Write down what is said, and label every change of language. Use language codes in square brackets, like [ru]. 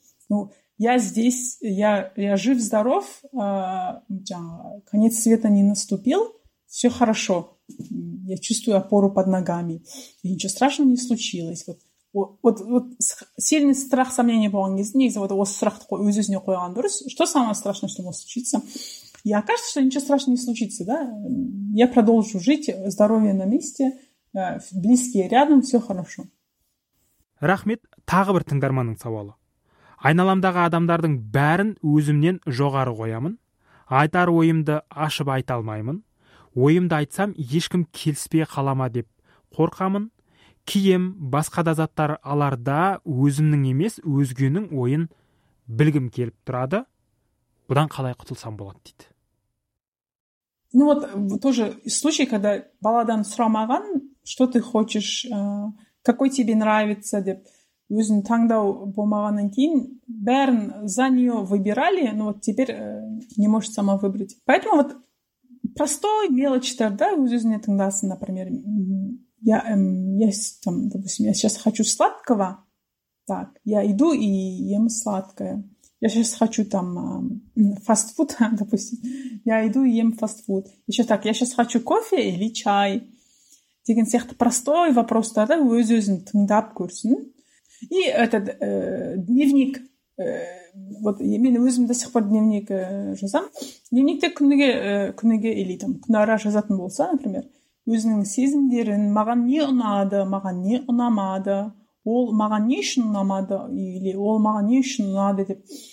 [ru] Ну, я здесь, я жив-здоров, конец света не наступил, все хорошо, я чувствую опору под ногами, и ничего страшного не случилось, вот. Вот сильный страх, сомнение было не из-за вот этого страха такой, из-за него Андрюс. Что самое страшное, что может случиться? И окажется, что ничего страшного не случится, да? Я продолжу жить, здоровье на месте, близкие рядом, все хорошо. [kk] Рахмет, тағы бір тыңдарманың сауалы. Айналамдағы адамдардың бәрін өзімнен жоғары қоямын. Айтар ойымды ашып айта алмаймын. Ойымды айтсам, ешкім келіспей қалама деп қорқамын. Кием, басқа да заттар аларда өзімнің емес, өзгенің ойын білгім келіп тұрады. Бұдан қалай құтылсам болады, дейді. [ru] Ну вот, тоже случай, когда [kk] баладан сұрамаған, [ru] что ты хочешь, какой тебе нравится, [kk] деп, өзің таңдау болмағаннан кейін, бәрін [ru] за нее выбирали, но вот теперь не можешь сама выбрать. Поэтому вот простой мелочтар, да, [kk] өзіңе тыңдасын, [ru] например, Я сейчас хочу сладкого, так, я иду и ем сладкое. Я сейчас хочу там фастфуд, допустим, я иду и ем фастфуд. Еще так, я сейчас хочу кофе или чай. [kk] Деген сияқты [ru] простой вопрос, да, [kk] өз-өзін тыңдап көрсін. [ru] И этот дневник, вот [kk] мен өзім [ru] до сих пор дневник [kk] жазам. Дневникте күніге [ru] или там [kk] күнара жазатын болса, например, өзінің сезімдерін, маған не ұнады, маған не ұнамады, ол маған не үшін ұнамады, или ол маған не үшін ұнады, деп.